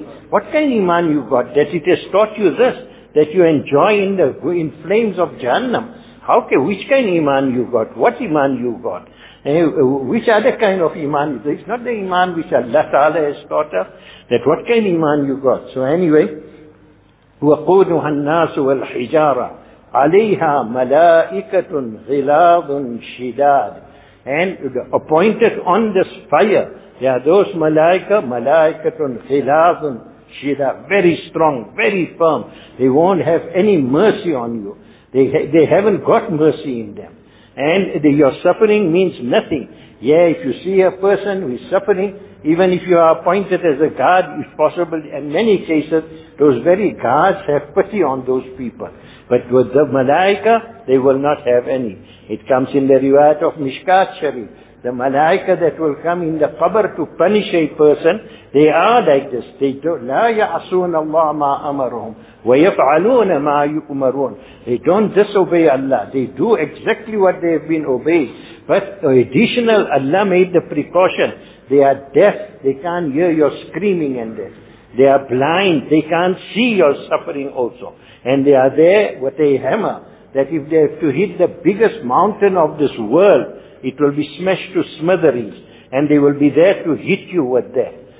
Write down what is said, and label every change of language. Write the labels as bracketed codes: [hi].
[en] What kind of iman you got that it has taught you this, that you enjoy in flames of Jahannam? How can, which kind of iman you got? What iman you got? Which other kind of iman is this? It's not the iman which Allah Ta'ala has taught us, that what kind of iman you got. So anyway, [ar] وَقُودُهَا النَّاسُ وَالْحِجَارَةُ عَلَيْهَا مَلَائِكَةٌ غِلَاظٌ شِدَادٌ. [en] And appointed on this fire, there are those malaika, malaikatun [ar] غِلَاظٌ شِدَادٌ, [en] very strong, very firm. They won't have any mercy on you. They haven't got mercy in them. And your suffering means nothing. Yeah, if you see a person who is suffering, even if you are appointed as a guard, if possible, in many cases, those very guards have pity on those people. But with the malaika, they will not have any. It comes in the riwayat of Mishkat Sharif. The malaika that will come in the qabr to punish a person, they are like this. They don't, [ar] لا يعصون الله ما أمرهم ويفعلون ما يؤمرون. [en] They don't disobey Allah. They do exactly what they have been obeyed. But additional, Allah made the precaution. They are deaf. They can't hear your screaming and this. They are blind. They can't see your suffering also. And they are there with a hammer, that if they have to hit the biggest mountain of this world, it will be smashed to smithereens, and they will be there to hit you with that.